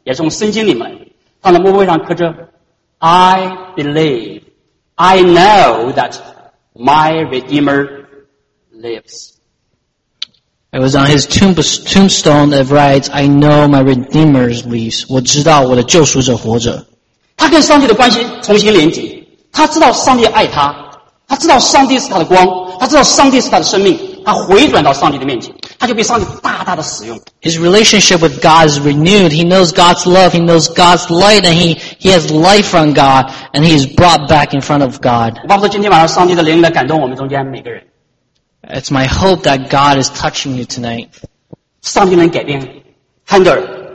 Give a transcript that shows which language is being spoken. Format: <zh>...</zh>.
<zh>在墓碑上刻了这么一句话，这句话也是从弥赛亚神曲里面来，也是从圣经里面来。他在墓碑上刻着</zh> <en>"I believe, I know that my Redeemer lives." It was on his tombstone that writes, "I know my Redeemer lives."</en> <zh>我知道我的救赎者活着。他跟上帝的关系重新连接，他知道上帝爱他，他知道上帝是他的光，他知道上帝是他的生命，他回转到上帝的面前，他就被上帝大大的使用。</zh> <en>His relationship with God is renewed. He knows God's love, he knows God's light, and he has life from God, and he is brought back in front of God.</en> <zh>我巴不得今天晚上上帝的灵来感动我们中间每个人。</zh> <en>It's my hope that God is touching you tonight.</en> <zh>上帝能改变，Handel。</zh>